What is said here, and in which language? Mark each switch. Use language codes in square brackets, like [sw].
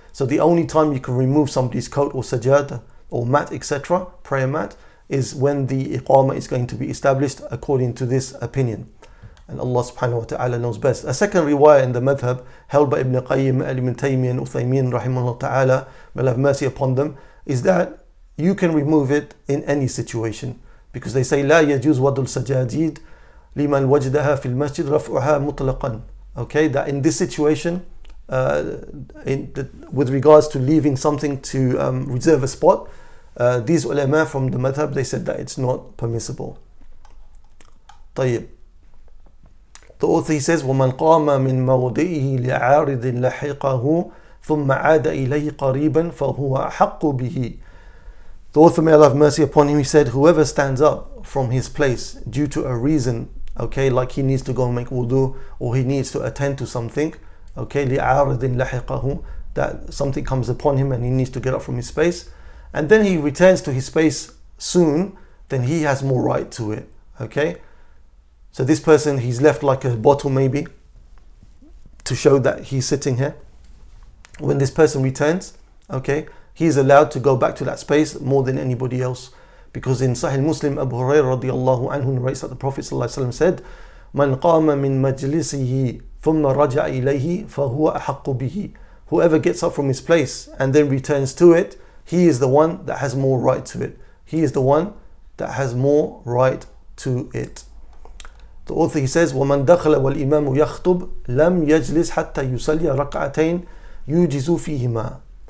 [en] So the only time you can remove somebody's coat or sajada or mat, etc., prayer mat, is when the iqamah is going to be established, according to this opinion. And Allah subhanahu wa ta'ala knows best. A second riwayah in the madhab held by Ibn Qayyim, Ibn Taymiyyah, and Uthaymeen rahimahullah ta'ala, may Allah have mercy upon them, is that you can remove it in any situation. [ar] Because they say, لا يجوز وضع السجاديد لمن وجدها في المسجد رفعها مطلقا. [en] Okay, that in this situation, with regards to leaving something to reserve a spot, these ulama from the madhab, they said that it's not permissible. [ar] طيب. The author, he says, وَمَنْ قَامَ مِنْ مَوْضِئِهِ لِعَارِضٍ لَحِقَهُ ثم عاد إليه قريبا فهو أحق به. [en] The author, may Allah have mercy upon him, he said, whoever stands up from his place due to a reason, okay, like he needs to go and make wudu or he needs to attend to something, okay, [ar] لِعَارِضٍ لَحِقَهُ, [en] that something comes upon him and he needs to get up from his space, and then he returns to his space soon, then he has more right to it, okay? So this person, he's left like a bottle maybe to show that he's sitting here. When this person returns, okay, he's allowed to go back to that space more than anybody else. Because in Sahih Muslim, Abu Hurairah radiallahu anhu narrates that the Prophet ﷺ said, [ar] مَنْ قَامَ مِنْ مَجْلِسِهِ ثُمَّ رَجَعَ إِلَيْهِ فَهُوَ أَحَقُّ بِهِ. [en] Whoever gets up from his place and then returns to it, he is the one that has more right to it. He is the one that has more right to it. [ar] The author, he says, وَمَنْ دَخَلَ وَالْإِمَامُ يَخْطُبْ لَمْ يَجْلِسْ حَتَّى يُسَلِّيَ رَكْعَتَيْنْ يُجِزُ فِيهِمَا.